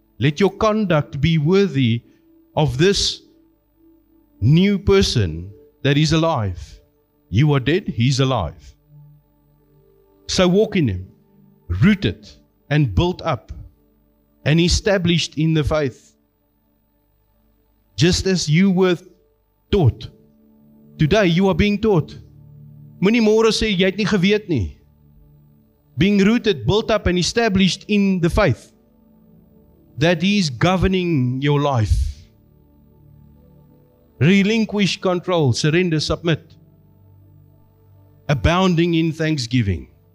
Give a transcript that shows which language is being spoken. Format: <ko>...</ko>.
<en>Let your conduct be worthy of this new person that is alive. You are dead, He's alive. So walk in Him, rooted and built up and established in the faith, just as you were taught. Today you are being taught.</en> <af>Moenie môre sê jy het nie geweet nie.</af> <en>Being rooted, built up and established in the faith that he is governing your life. Relinquish control, surrender, submit. Abounding in thanksgiving.</en>